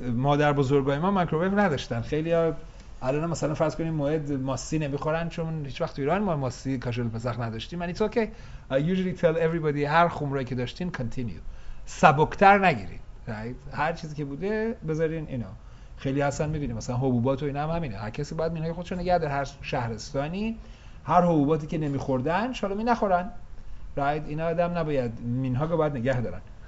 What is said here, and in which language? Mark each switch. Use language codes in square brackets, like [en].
[fa] مادر بزرگای ما مایکروویو نداشتن. خیلی الان مثلا فرض کنیم موعد ماسی نمیخورن، چون هیچ وقت تو ایران ما ماسی کاشل پسخ نداشتیم. [en] من it's okay. I usually tell everybody [fa] هر خمرایی که داشتین [en] continue. [fa] سبکتر نگیرید. Right. هر چیزی که بوده بذارین اینا. خیلی اصلا میبینیم مثلا حبوبات و اینا هم همینه. هر کسی باید مینای خودشو نگه داره، هر شهرستانی هر حبوباتی که نمیخوردن شالا می نخورن. [en] Right. [fa] اینا آدم نباید مینها رو باید نگه دارن.